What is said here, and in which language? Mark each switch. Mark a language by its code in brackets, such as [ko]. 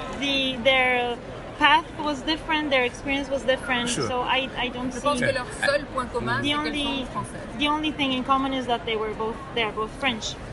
[en] Their path was different, their experience was different. Sure. So I don't see... [fr] Je pense que leur seul point commun, c'est qu'elles sont françaises. [en] The only thing in common is that they are both French.